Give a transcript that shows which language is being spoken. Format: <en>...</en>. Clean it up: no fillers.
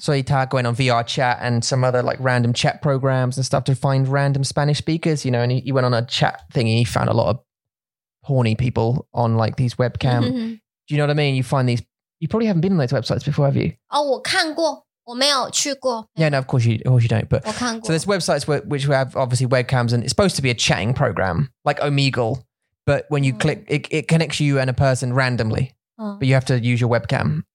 <zh>所以他</zh> <en>going on VR chat and some other like random chat programs and stuff to find random Spanish speakers, you know, and he went on a chat thingy, he found a lot of horny people on like these webcam. Do you know what I mean? You find these, you probably haven't been on those websites before, have you?</en> <zh>Oh, 我看过，我没有去过。</zh> <en>Yeah, no, of course you don't, but</en> <zh>我看过。</zh> <en>So there's websites which have obviously webcams and it's supposed to be a chatting program, like Omegle, but when you click, it connects you and a person randomly, but you have to use your webcam.</en>